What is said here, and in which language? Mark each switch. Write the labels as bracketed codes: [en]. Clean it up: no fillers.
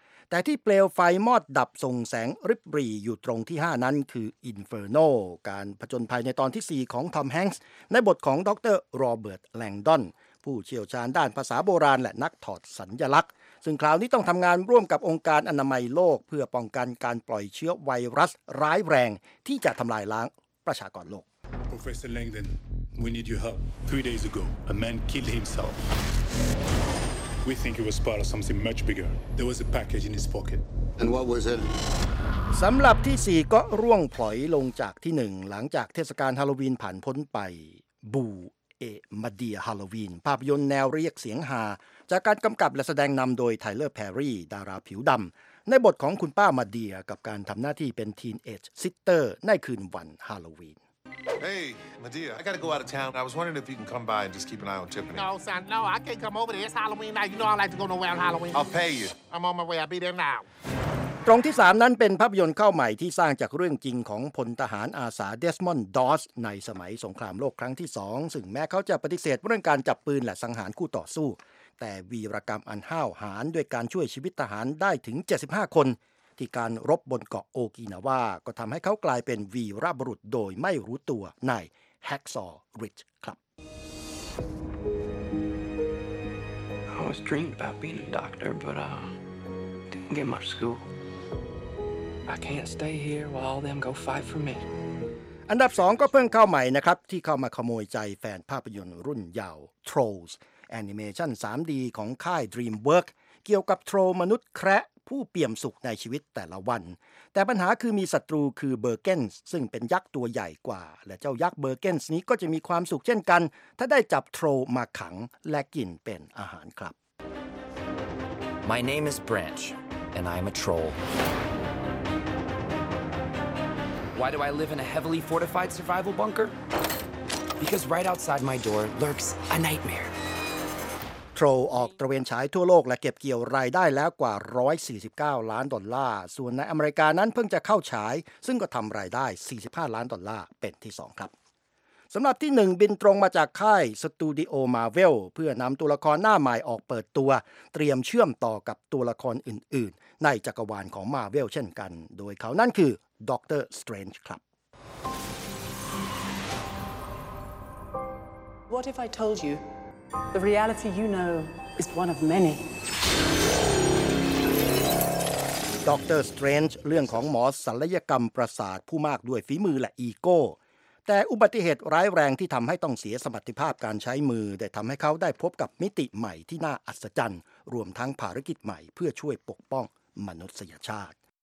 [th] แต่ที่เปลวไฟมอดดับส่งแสงริบหรี่อยู่ตรงที่5นั้นคือ Inferno การผจญภัยในตอนที่4ของทอมแฮงส์ในบทของดร.โรเบิร์ตแลงดอนผู้เชี่ยวชาญด้านภาษาโบราณและนักถอดสัญลักษณ์ซึ่งคราวนี้ต้องทำงานร่วมกับองค์การอนามัยโลกเพื่อป้องกันการปล่อยเชื้อไวรัสร้ายแรงที่จะทำลายล้างประชากรโลก [en] Professor Langdon we need your help 3 days ago a man killed himselfWe think it was part of something much bigger. There was a package in his pocket. And what was it? [th] สำหรับที่4ก็ร่วงพลอยลงจากที่1หลังจากเทศกาลฮาโลวีนผ่านพ้นไปบูเอมาเดียฮาโลวีนภาพยนตร์แนวเรียกเสียงฮาจากการกำกับและแสดงนำโดยไทเลอร์แพรี่ดาราผิวดำในบทของคุณป้ามาเดียกับการทำหน้าที่เป็นทีนเอจซิสเตอร์ในคืนวันฮาโลวีน [en] Hey, Madea, I gotta go out of town. I was wondering if you can come by and just keep an eye on Tiffany. No, son, no, I can't come over there. It's Halloween night. You know I like to go nowhere on Halloween. I'll pay you. I'm on my way. I'll be there now. [th] ตรงที่3นั้นเป็นภาพยนตร์เข้าใหม่ที่สร้างจากเรื่องจริงของพลทหารอาสาเดสมอนด์ดอสในสมัยสงครามโลกครั้งที่2ซึ่งแม้เขาจะปฏิเสธเรื่องการจับปืนและสังหารคู่ต่อสู้แต่วีรกรรมอันห้าวหาญด้วยการช่วยชีวิตทหารได้ถึง75คนที่การรบบนเกาะโอกินาวาก็ทำให้เขากลายเป็นวีรบุรุษโดยไม่รู้ตัวในแฮกซอร์ริดจ์ครับ [en] I was dreaming about being a doctor but didn't get much school I can't stay here while all them go fight for me [th] อันดับ2ก็เพิ่งเข้าใหม่นะครับที่เข้ามาขโมยใจแฟนภาพยนตร์รุ่นยาว Trolls Animation 3D ของค่าย DreamWorks เกี่ยวกับโทรลมนุษย์แคระผู้เปี่ยมสุขในชีวิตแต่ละวันแต่ปัญหาคือมีศัตรูคือเบอร์เกนซึ่งเป็นยักษ์ตัวใหญ่กว่าและเจ้ายักษ์เบอร์เกนซ์นี้ก็จะมีความสุขเช่นกันถ้าได้จับโทรมาขังและกินเป็นอาหารครับ [en] My name is Branch and I'm a troll Why do I live in a heavily fortified survival bunker? Because right outside my door lurks a nightmare [th] โทรออกตระเวนฉายทั่วโลกและเก็บเกี่ยวรายได้แล้วกว่า149ล้านดอลลาร์ส่วนในอเมริกานั้นเพิ่งจะเข้าฉายซึ่งก็ทำรายได้45ล้านดอลลาร์เป็นที่2ครับสำหรับที่1บินตรงมาจากค่ายสตูดิโอ Marvel เพื่อนำตัวละครหน้าใหม่ออกเปิดตัวเตรียมเชื่อมต่อกับตัวละครอื่นๆในจักรวาลของ Marvel เช่นกันโดยเขานั่นคือด็อกเตอร์สเตรนจ์ครับ [en] What if I told youThe reality you know is one of many. [th] Doctor Strange เรื่องของหมอศัลยกรรมประสาทผู้มากด้วยฝีมือและอีโก้แต่อุบัติเหตุร้ายแรงที่ทำให้ต้องเสียสมรรถภาพการใช้มือได้ทำให้เขาได้พบกับมิติใหม่ที่น่าอัศจรรย์รวมทั้งภารกิจใหม่เพื่อช่วยปกป้องมนุษยชาติ